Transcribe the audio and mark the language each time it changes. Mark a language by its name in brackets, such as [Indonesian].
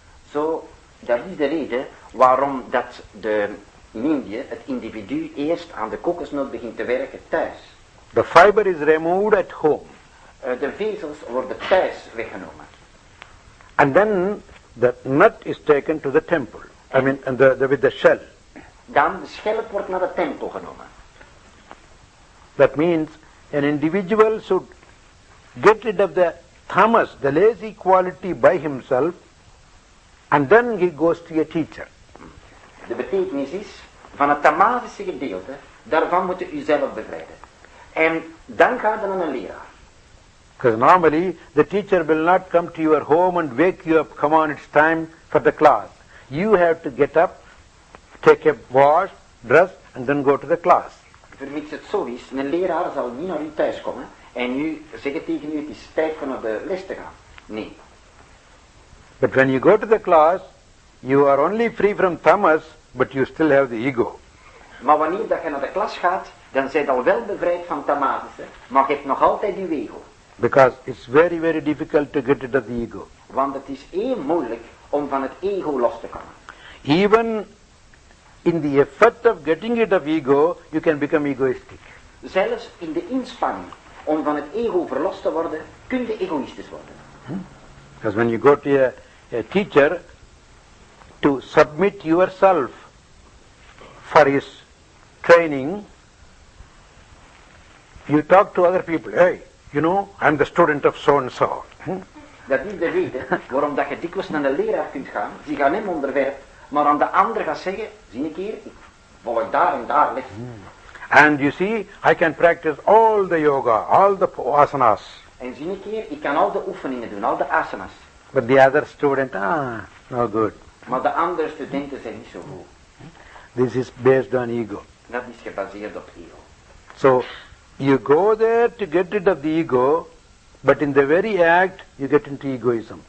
[Dutch] So, dat is de reden waarom dat de in India het individu eerst aan de kokosnoot begint te werken thuis. [English] The fiber is removed at home. [Dutch] De vezels worden thuis weggenomen. [English] And then the nut is taken to the temple. With the shell. [Dutch] Dan de schelp wordt naar de tempel genomen. [English] That means an individual should get rid of the tamas, the lazy quality, by himself, and then he goes to a teacher. [Dutch] De betekenis is, van het tamasische gedeelte, daarvan moet je jezelf bevrijden. En dan ga je naar een leraar. [English] Because normally, the teacher will not come to your home and wake you up, come on, it's time for the class. You have to get up, take a wash, dress, and then go to the class. [Dutch] Vermits het zo is, een leraar zal niet naar u thuis komen en u zeggen tegen u, het is tijd om naar de les te gaan. Nee. [English] But when you go to the class, you are only free from tamas, but you still have the ego. [Dutch] Maar wanneer dat je naar de klas gaat, dan zijn al wel bevrijd van tamas, maar je hebt nog altijd je ego. [English] Because it's very, very difficult to get rid of the ego. [Dutch] Want het is heel moeilijk om van het ego los te komen. [English] Even in the effort of getting rid of ego, you can become egoistic. [Dutch] Zelfs in de inspanning om van het ego verlost te worden, kun je egoïstisch worden. [English] Because when you go to a teacher to submit yourself for his training, you talk to other people, hey, you know, I'm the student of so and so. [Dutch] Dat is de reden waarom dat je dikwijls naar de leraar kunt gaan, die gaan hem onderwerp, maar aan de andere gaat zeggen, zie ik hier, ik volg daar en daar les. [English] And you see, I can practice all the yoga, all the asanas. [Dutch] En zie ik hier, ik kan al de oefeningen doen, al de asanas. [English] But the other student, no good. [Dutch] Maar de andere studenten zijn niet zo goed. [English] This is based on ego. [Dutch] Dat is gebaseerd op ego. [English] So, you go there to get rid of the ego, but in the very act, you get into egoism.